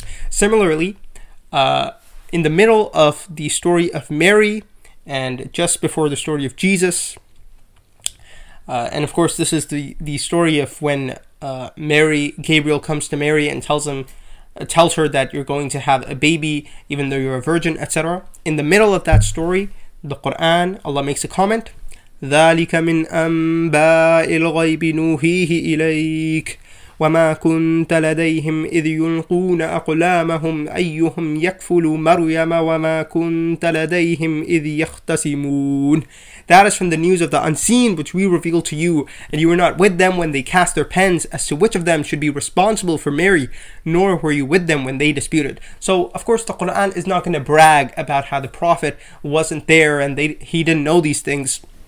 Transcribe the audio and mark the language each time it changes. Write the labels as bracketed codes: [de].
[en] Similarly, in the middle of the story of Mary and just before the story of Jesus, and of course, this is the story of when Gabriel comes to Mary and tells her that you're going to have a baby even though you're a virgin, etc. In the middle of that story, the Quran, Allah makes a comment, [ar] ذلك من أنباء الغيب نوحيه إليك وما كنت لديهم إذ يلقون أقلامهم أيهم يكفل مريم وما كنت لديهم إذ يختصمون. [en] That is from the news of the unseen which we reveal to you, and you were not with them when they cast their pens as to which of them should be responsible for Mary, nor were you with them when they disputed. So, of course, the Quran is not going to brag about how the Prophet wasn't there and he didn't know these things.